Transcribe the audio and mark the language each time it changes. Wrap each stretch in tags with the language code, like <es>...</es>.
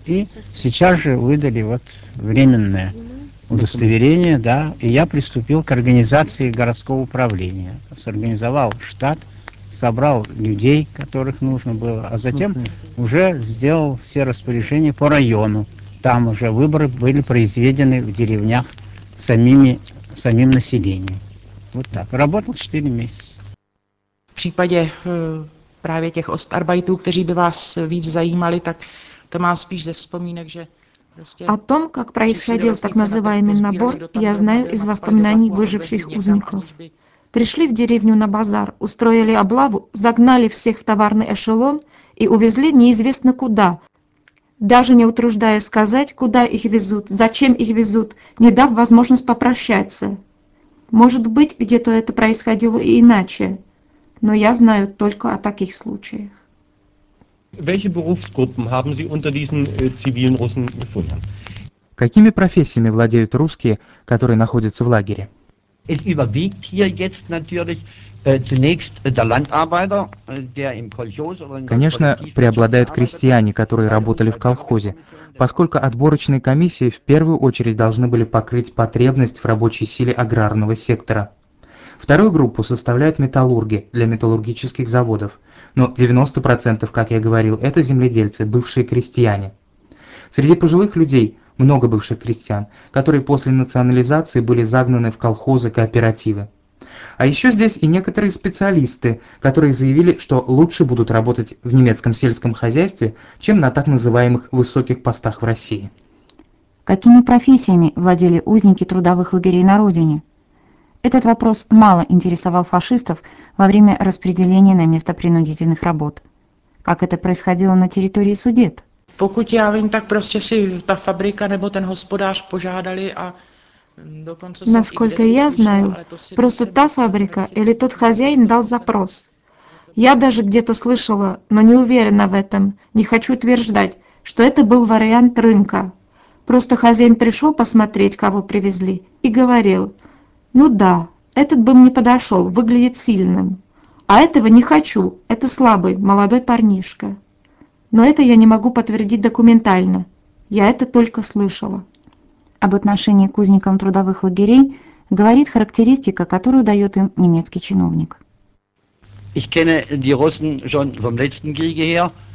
<ru>И сейчас же выдали вот временное удостоверение, да, и я приступил к организации городского управления. Сорганизовал штат, собрал людей, которых нужно было, а затем уже сделал все распоряжения по району. Там уже выборы были произведены в деревнях самим населением. Вот так. Работал 4 месяца.</ru> <cs>В případě právě těch ostarbajtů, kteří by vás víc zajímali, tak to mám spíš ze vzpomínek, že o tom, jak</cs> <ru>происходил</ru> <cs>tak</cs> <ru>называемый набор, я знаю из воспоминаний выживших узников. Пришли в деревню на базар, устроили облаву, загнали всех в товарный эшелон и увезли неизвестно куда, даже не утруждая сказать, куда их везут, зачем их везут, не дав возможность попрощаться. Может быть, где-то это происходило и иначе. Но я знаю только о таких случаях.</ru> <de>Welche Berufsgruppen haben Sie unter diesen zivilen Russen gefunden?</de> <ru>Какими профессиями владеют русские, которые находятся в лагере?</ru> <de>Es überwiegt hier jetzt natürlich zunächst der Landarbeiter, der im Kolchos oder in der.</de> <ru>Конечно, преобладают крестьяне, которые работали в колхозе, поскольку отборочные комиссии в первую очередь должны были покрыть потребность в рабочей силе аграрного сектора. Вторую группу составляют металлурги для металлургических заводов, но 90%, как я говорил, это земледельцы, бывшие крестьяне. Среди пожилых людей много бывших крестьян, которые после национализации были загнаны в колхозы, кооперативы. А еще здесь и некоторые специалисты, которые заявили, что лучше будут работать в немецком сельском хозяйстве, чем на так называемых высоких постах в России. Какими профессиями владели узники трудовых лагерей на родине? Этот вопрос мало интересовал фашистов во время распределения на место принудительных работ. Как это происходило на территории Судет?</ru> <cs>Pokud já vím, tak prostě si ta fabrika nebo ten hospodář požádali a dokonce.</cs> <ru>Насколько я знаю, просто та фабрика или тот хозяин дал запрос. Я даже где-то слышала, но не уверена в этом, не хочу утверждать, что это был вариант рынка. Просто хозяин пришел посмотреть, кого привезли, и говорил. Ну да, этот бы мне подошел, выглядит сильным. А этого не хочу, это слабый, молодой парнишка. Но это я не могу подтвердить документально. Я это только слышала. Об отношении к узникам трудовых лагерей говорит характеристика, которую дает им немецкий чиновник.</ru> <de>Ich kenne die Russen schon vom letzten Kriege her.</de>